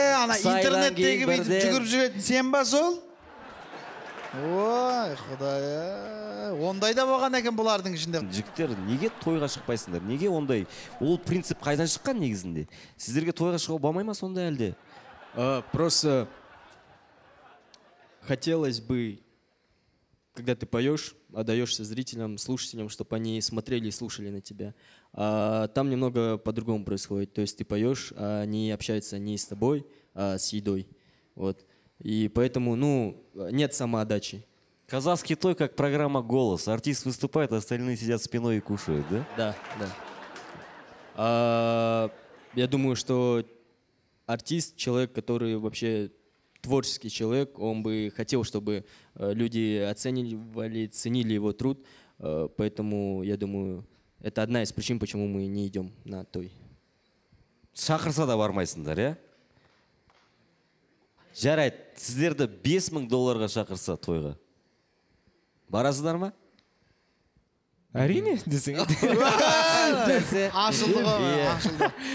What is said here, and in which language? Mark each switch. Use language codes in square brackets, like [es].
[kk] Ана интернеттегі бейтіп жүгіріп жүретін сен ба сол? Ой, Құдай, ондай да болған екен бұлардың ішінде. Жігіттер, неге тойға шықпайсыңдар? Неге ондай? Ол принцип қайдан шыққан негізінде? Сіздерге тойға шығу болмай ма сонда әлде? [ru] Просто хотелось бы, когда ты поешь, отдаешься зрителям, слушателям, чтобы они смотрели и слушали на тебя. А там немного по-другому происходит. То есть ты поешь, а они общаются не с тобой, а с едой. Вот. И поэтому, ну, нет самоотдачи. Казахский той, как программа «Голос». Артист выступает, а остальные сидят спиной и кушают, да? Да, да. Я думаю, что артист, человек, который вообще творческий человек, он бы хотел, чтобы люди оценивали, ценили его труд. Поэтому, я думаю, это одна из причин, почему мы не идем на той. [kk] Шақырса да бармайсыңдар, а? Жарайт, сіздерді 5000 долларға шақырса тойға. Барасыздар ма? Әрине, десең. Ашылды ғой, ашылды.